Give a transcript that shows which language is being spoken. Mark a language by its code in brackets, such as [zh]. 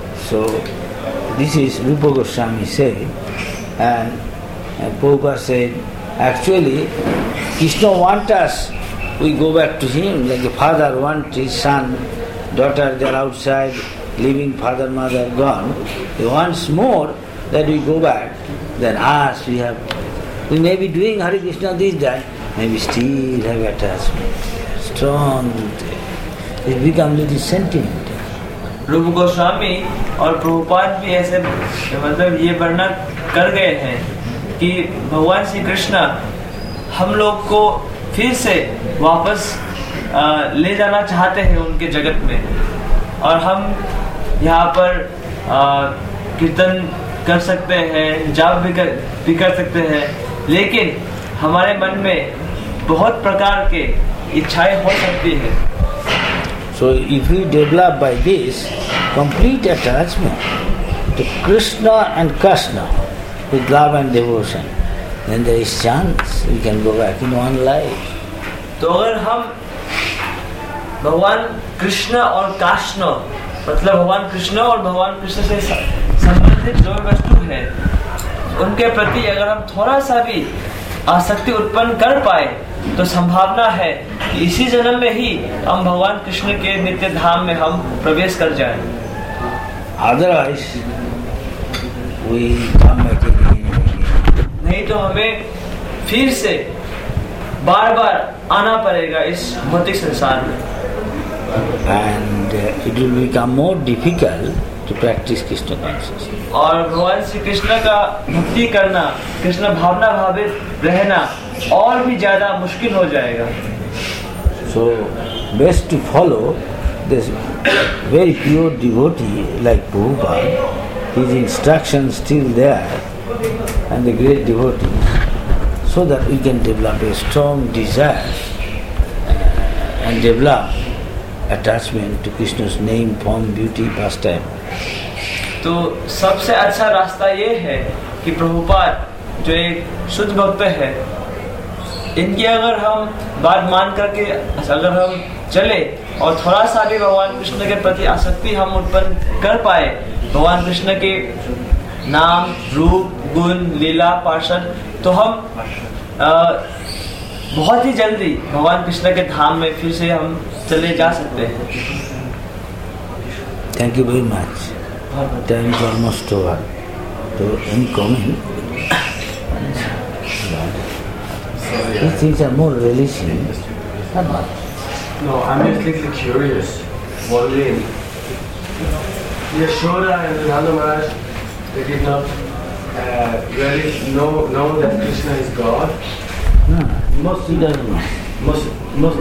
[en] So this is Rupa Goswami said, and Prabhupada said, actually, Krishna wants us, we go back to him, like a father wants his son, daughter, they are outside, leaving father, mother, gone. He wants more that we go back than us. We may be doing Hare Krishna this, that, maybe still have attachment, strong. It becomes little sentiment. [hi] Rupa Goswami and Prabhupada bhi aise, matlab ye varna kar gaye hain कि भगवान श्री कृष्णा हम लोग को फिर से वापस ले जाना चाहते हैं उनके जगत में, और हम यहाँ पर कीर्तन कर सकते हैं, जाप भी कर सकते हैं, लेकिन हमारे मन में बहुत प्रकार के इच्छाएं हो सकती हैं. [en] So if we develop by this complete attachment to Krishna and Krishna with love and devotion, then there is chance we can go back in one life. [hi] तो अगर हम भगवान कृष्ण और कृष्ण, मतलब भगवान कृष्ण और भगवान कृष्ण से संबंधित जो वस्तु है, उनके प्रति अगर हम थोड़ा सा भी आसक्ति उत्पन्न कर पाए, तो संभावना है इसी जन्म में ही हम भगवान कृष्ण के नित्य धाम में हम प्रवेश कर जाएं. [en] Otherwise, we come back again. [hi] नहीं तो हमें फिर से बार बार आना पड़ेगा इस भौतिक संसार में. [en] And it will become more difficult to practice Krishna consciousness. [hi] और भगवान श्री कृष्ण का भक्ति करना, कृष्ण भावना भावित रहना और भी ज्यादा मुश्किल हो जाएगा. [en] So best to follow this very pure devotee like Prabhupada. His instructions still there, and the great devotees, so that we can develop a strong desire and develop attachment to Krishna's name, form, beauty, pastime. [hi] तो सबसे अच्छा रास्ता ये है कि प्रभुपाद जो एक शुद्ध भक्त है, इनकी अगर हम बात मान करके अगर हम चले और थोड़ा सा भी भगवान कृष्ण के प्रति आसक्ति हम उत्पन्न कर पाए, भगवान कृष्ण के नाम रूप गुण लीला पार्षद, तो हम बहुत ही जल्दी भगवान कृष्ण के धाम में फिर से हम चले जा सकते हैं। [en] Thank you very much, time is almost over, तो in coming these things are more relishing. No, I'm just little curious. What do you mean? Yashoda and Radha Maharaj, they did not relish, know that Krishna is God? No, mostly doesn't know.